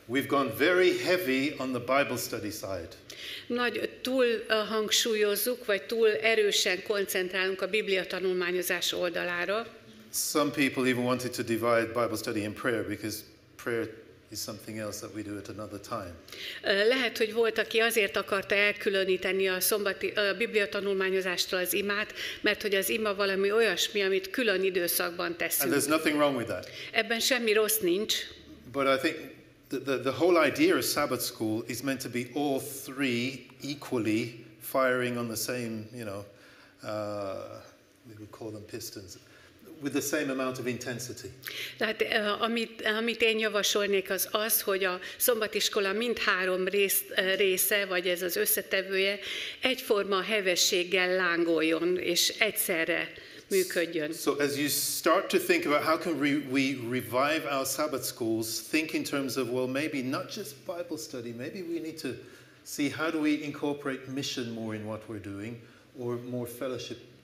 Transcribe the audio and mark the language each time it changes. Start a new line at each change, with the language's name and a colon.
English: We've gone very heavy on the Bible study side.
Hungarian: Nagy túl hangsúlyozzuk, vagy túl erősen koncentrálunk a Biblia tanulmányozás oldalára.
English: Some people even wanted to divide Bible study and prayer because prayer is something else that we do at another time.
Hungarian: Lehet, hogy volt, aki azért akarta elkülöníteni a szombati a Biblia tanulmányozástól az imát, mert hogy az ima valami olyasmi, amit külön időszakban teszünk.
English: And there's nothing wrong with that.
Hungarian: Ebben semmi rossz nincs.
English: But I think the whole idea of Sabbath school is meant to be all three equally firing on the same, you know, we would call them pistons. With the same amount of intensity.
Hungarian: Tehát amit én javasolnék az, hogy a szombatiskola mind három része, vagy ez az összetevője, egyforma hevességgel lángoljon és egyszerre működjön.
English: So as you start to think about how can we revive our Sabbath schools, think in terms of well maybe not just Bible study, maybe we need to see how do we incorporate mission more in what we're doing, or more fellowship.